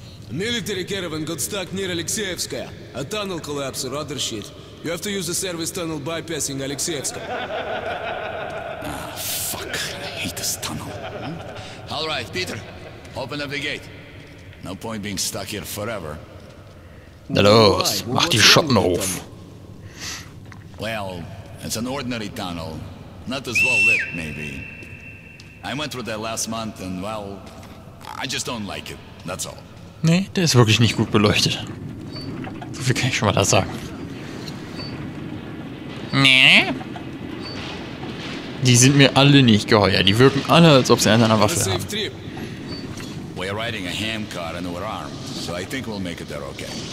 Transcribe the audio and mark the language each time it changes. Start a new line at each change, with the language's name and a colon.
English: A military caravan got stuck near Alexeyevskaya. A tunnel collapse or other shit. You have to use the service tunnel bypassing Alexeyevskaya. Ah, fuck. I hate this tunnel. All right, Peter. Open up the gate. No point being stuck here forever.
German: Na los, mach die Schotten auf.
English: Well, it's an ordinary tunnel. Not as well lit, maybe. I went through that last month and, well, I just don't like it. That's all.
German: Nee, der ist wirklich nicht gut beleuchtet. So viel kann ich schon mal da sagen. Nee? Die sind mir alle nicht geheuer. Die wirken alle, als ob sie an einer Waffe haben.
English: We're riding a ham car and we're armed, so I think we'll make it there okay.